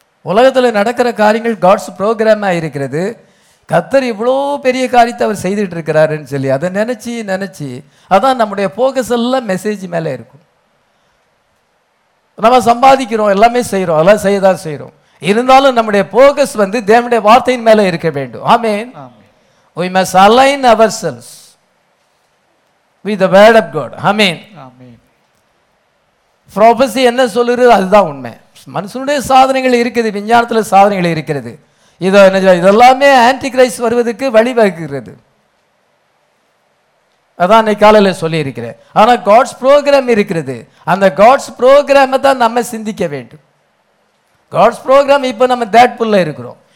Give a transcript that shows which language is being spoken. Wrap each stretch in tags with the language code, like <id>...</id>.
<ta>உலகத்தில் நடக்கிற காரியங்கள் காட்ஸ் ப்ரோக்ராமாக இருக்கிறது. கர்த்தர் இவ்வளோ பெரிய காரியத்தை அவர் செய்துட்டு இருக்கிறாருன்னு சொல்லி அதை நினச்சி நினச்சி அதான் நம்முடைய ஃபோக்கஸ் எல்லாம் மெசேஜ் மேலே இருக்கும். நம்ம சம்பாதிக்கிறோம், எல்லாமே செய்கிறோம், எல்லாம் செய்ய தான் செய்கிறோம். இருந்தாலும் நம்முடைய ஃபோக்கஸ் வந்து தேவனுடைய வார்த்தையின் மேலே இருக்க வேண்டும். ஆமென்.</ta> <en>We must align ourselves with the word of God. Amen. Amen.</en> <ta>Prophecy என்ன சொல்லுறது? அதுதான் உண்மை. மனுஷனுடைய சாதனைகள் இருக்குது, விஞ்ஞானத்தில் சாதனைகள் இருக்கிறது. இதோ என்ன, இதெல்லாமே ஆன்டி கிரைஸ்ட் வருவதற்கு வழிவகுக்கிறது. அதான் இன்னைக்கு காலையில் சொல்லியிருக்கிறேன். ஆனால் காட்ஸ் ப்ரோக்ராம் இருக்கிறது. அந்த காட்ஸ் ப்ரோக்ராமை தான் நம்ம சிந்திக்க வேண்டும். காட்ஸ் ப்ரோக்ராம் இப்போ நம்ம தேட்புல்ல இருக்கிறோம்.</ta>